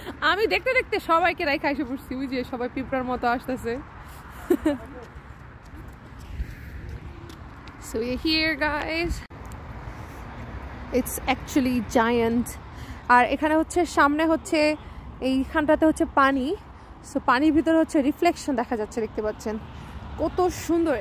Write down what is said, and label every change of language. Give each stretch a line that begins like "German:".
Bangla: আমি দেখতে দেখতে সবাইকে রাইখা এসে পড়ছি, বুঝলি, সবাই পিঁপড়ার মতো আসতেছে।
English: So we're here guys, it's actually giant.
Bangla: আর এখানে হচ্ছে সামনে হচ্ছে এইখানটাতে হচ্ছে পানি, সো পানির ভিতরে হচ্ছে রিফ্লেকশন দেখা যাচ্ছে, দেখতে পাচ্ছেন কত সুন্দর।